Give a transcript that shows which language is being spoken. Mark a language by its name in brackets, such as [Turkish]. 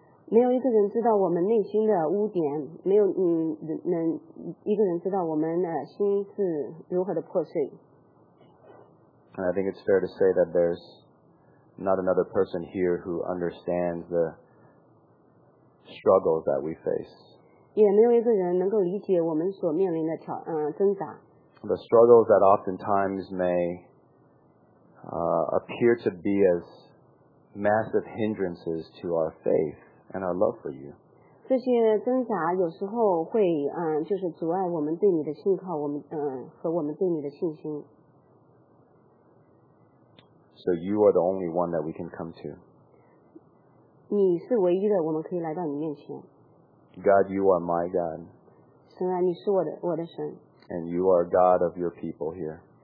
[Chinese] 没有一个人知道我们内心的污点，没有能一个人知道我们心是如何的破碎。 [English] And I think it's fair to say that there's not another person here who understands the struggles that we face. [Chinese] 也没有一个人能够理解我们所面临的挣扎。 [English] The struggles that oftentimes may appear to be as massive hindrances to our faith and our love for you. [Chinese] 这些挣扎有时候会就是阻碍我们对你的信靠，我们和我们对你的信心。 [English] So you are the only one that we can come to. [Chinese] 你是唯一的，我们可以来到你面前。 [English] God, you are my God. [Chinese] 神啊，你是我的神。 [English] And you are God of your people here.